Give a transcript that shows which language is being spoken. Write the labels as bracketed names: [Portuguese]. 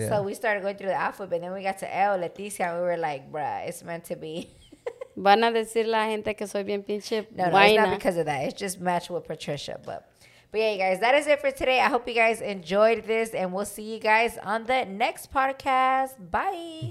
[English] Yeah. So we started going through the alphabet, then we got to L, Leticia, and we were like, bruh, it's meant to be. [Spanish] Van a decir la gente que soy bien pinche. [English] No, no, it's not because of that. It's just matched with Patricia. But yeah, you guys, that is it for today. I hope you guys enjoyed this, and we'll see you guys on the next podcast. Bye.